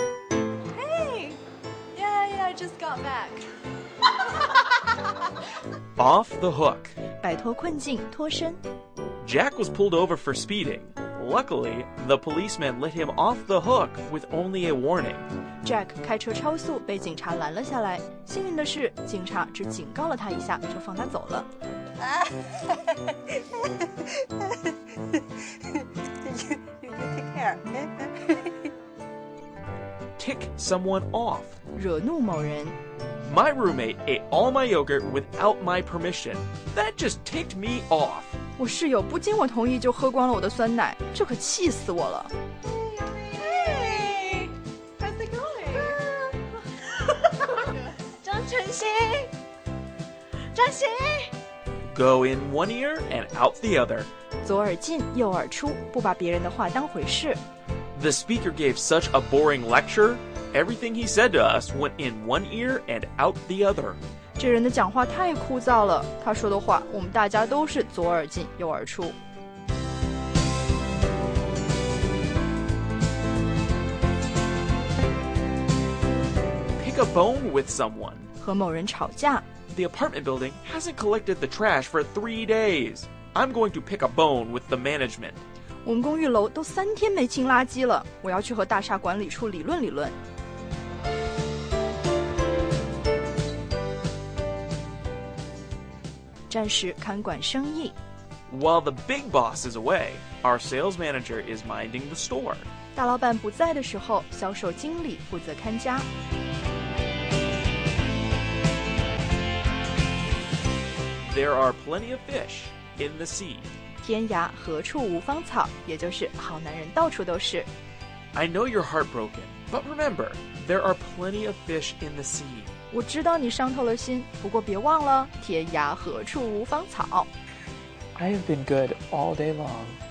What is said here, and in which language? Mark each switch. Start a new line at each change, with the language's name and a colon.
English: Hey! Yeah, I just got back. Off the hook.
Chinese: 摆脱困境，脱身。
English: Jack was pulled over for speeding. Luckily, the policeman let him off the hook with only a warning.
Chinese: Jack 开车超速被警察拦了下来。幸运的是，警察只警告了他一下就放他走了。
English: You take care. Tick someone off.
Chinese: 惹怒某人。
English: My roommate ate all my yogurt without my permission. That just ticked me off.
Chinese: 我室友不经我同意就喝光了我的酸奶，这可气死我了。张鑫
English: Go in one ear and out the other.
Chinese: 左耳进右耳出，不把别人的话当回事。
English: The speaker gave such a boring lecture. Everything he said to us went in one ear and out the other.
Chinese: 这人的讲话太枯燥了，他说的话我们大家都是左耳进右耳出。
English: Pick a bone with someone.
Chinese: 和某人吵架。
English: The apartment building hasn't collected the trash for 3 days. I'm going to pick a bone with the management.
Chinese: 我们公寓楼都三天没清垃圾了，我要去和大厦管理处理论理论。暂时看管生意。
English: While the big boss is away, our sales manager is minding the store.
Chinese: 大老板不在的时候，销售经理负责看家。
English: There are plenty of fish in the sea.
Chinese: 天涯何处无芳草，也就是好男人到处都是。
English: I know you're heartbroken, but remember, there are plenty of fish in the sea.
Chinese: 我知道你伤透了心，不过别忘了，天涯何处无芳草。
English: I have been good all day long.